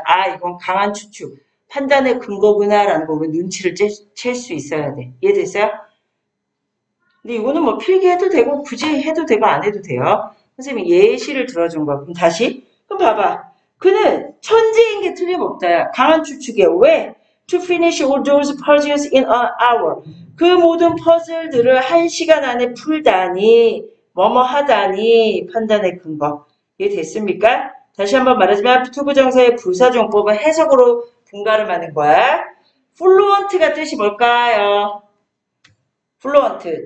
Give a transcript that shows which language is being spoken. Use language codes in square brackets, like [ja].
[ko] 아, 이건 강한 추측. 판단의 근거구나라는 거 우리 눈치를 챌수 있어야 돼. 이해됐어요? 근데 이거는 뭐 필기해도 되고, 굳이 해도 되고, 안 해도 돼요. 선생님이 예시를 들어준 거. 그럼 다시. 그럼 봐봐. 그는 천재인 게 틀림없다. 강한 추측이야. 왜? [en] To finish all those puzzles in an hour. [ko] 그 모든 퍼즐들을 한 시간 안에 풀다니, 뭐뭐하다니, 판단의 근거. 이해 됐습니까? 다시 한번 말하지만, 투부정사의 부사조용법은 해석으로 분가를 하는 거야. Fluent가 뜻이 뭘까요? Fluent.